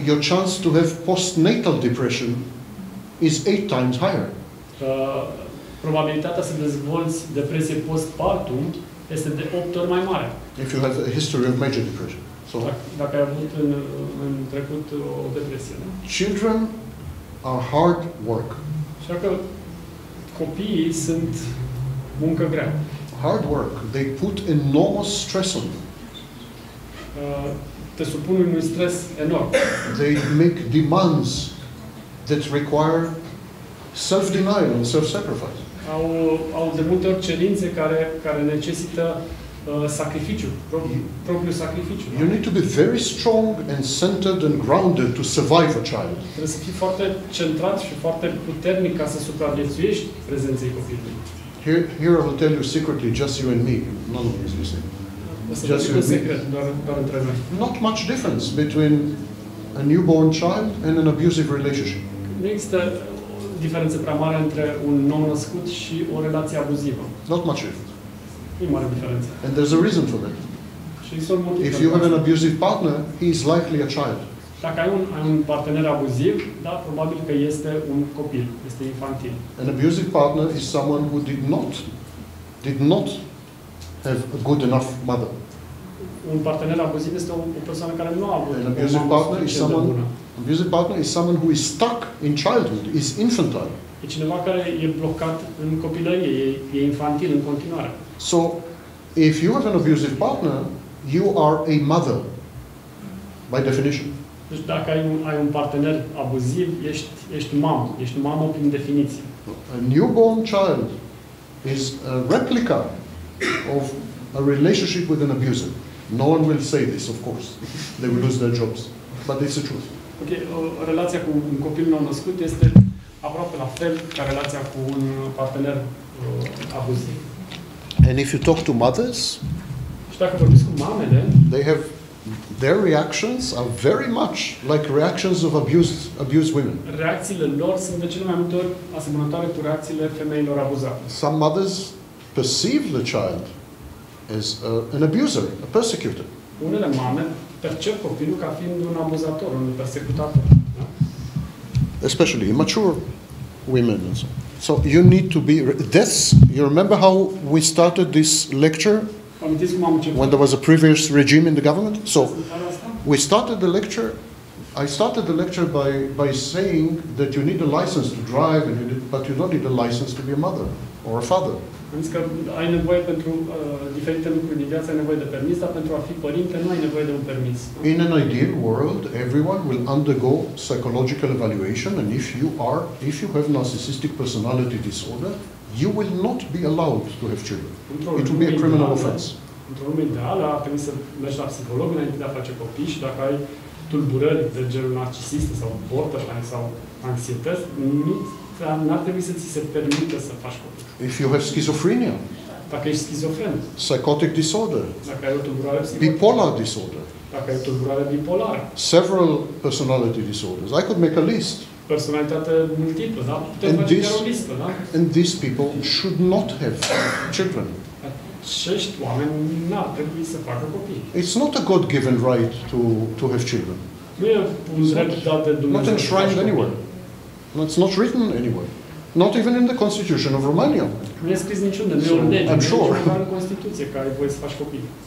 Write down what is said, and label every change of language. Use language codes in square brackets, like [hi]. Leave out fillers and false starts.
[en] your chance to have postnatal depression is 8 times higher. [ro] Probabilitatea să dezvolți depresie postpartum este de 8 ori mai mare. [en] If you have a history of major depression. So, [ro] dacă ai avut în trecut o depresie, nu? [en] Children are hard work. [ro] Așa că copiii sunt muncă grea. [en] Hard work. They put enormous stress on you. [ro] Te supun unui stres enorm. [en] They make demands that require self-denial and self-sacrifice. [ro] Au de multe ori cerințe care necesită sacrificiu, propriu sacrificiu. [en] You need to be very strong and centered and grounded to survive a child. [ro] Trebuie să fii foarte centrat și foarte puternic ca să supraviețuiești prezenței copilului. [en] Here I will tell you secretly, just you and me. None of you is listening. Just you and me. Not much difference between a newborn child and an abusive relationship. [ro] Nu există diferență prea mare între un nou născut și o relație abuzivă. [en] Not much difference. [ro] Mare, [en] and there's a reason for that. If you have an abusive partner, he is likely a child. [ro] Dacă ai un partener abuziv, da, probabil că este un copil, este infantil. [en] An abusive partner is someone who did not have a good enough mother. [ro] Un partener abuziv este o persoană care nu a avut. [en] An abusive partner is someone. Abusive partner is someone who is stuck in childhood, is infantile. [ro] E cineva care e blocat în copilărie, e infantil în continuare. [en] So, if you have an abusive partner, you are a mother, by definition. [ro] Deci dacă ai un partener abuziv, ești mamă prin definiție. [en] A newborn child is a replica of a relationship with an abuser. No one will say this, of course. They will lose their jobs. But it's the truth. [ro] Ok, relația cu un copil nou născut este aproape la fel ca relația cu un partener abuziv. [en] And if you talk to mothers, [ro] mamele, [en] they have their reactions are very much like reactions of abused women. [ro] Reacțiile lor sunt de cele mai multe ori asemănătoare cu reacțiile femeilor abuzate. [en] Some mothers perceive the child as an abuser, a persecutor. [ro] Unele mame percep copilul ca fiind un abuzator, un persecutator. [en] Especially immature women and so. So you need to be. That's. You remember how we started this lecture when there was a previous regime in the government. So we started the lecture. I started the lecture by saying that you need a license to drive, but you don't need a license to be a mother or a father. [ro] Ai nevoie pentru diferite lucruri din viață, ai nevoie de permis, dar pentru a fi părinte nu ai nevoie de un permis. [en] In an ideal world, everyone will undergo psychological evaluation, and if you have narcissistic personality disorder, you will not be allowed to have children. It will be a criminal offense. [ro] Într-o lume ideală, ar trebui să mergi la psiholog înainte de a face copii și dacă ai tulburări de genul narcisist sau borderline sau anxietate, nu ar trebui să ți se permită să faci copii. [en] If you have schizophrenia, [ro] dacă ești schizofren, [en] psychotic disorder, [ro] dacă ai o tulburare psihotică, [en] bipolar disorder, [ro] dacă ai o tulburare bipolară, [en] several personality disorders. I could make a list. [ro] Personalitate multiplă, da? Puteți face o listă, da? [en] And these people should not have children. [ro] Acești oameni nu ar trebui să facă copii. [en] It's not a God-given right to have children. [ro] Nu e un drept dat de Dumnezeu. [en] Not enshrined anywhere. It's not written anywhere. Not even in the constitution of Romania. [ro] Nu e scris niciunde, nu e o lege, nu e în constituție care voi să faci copii.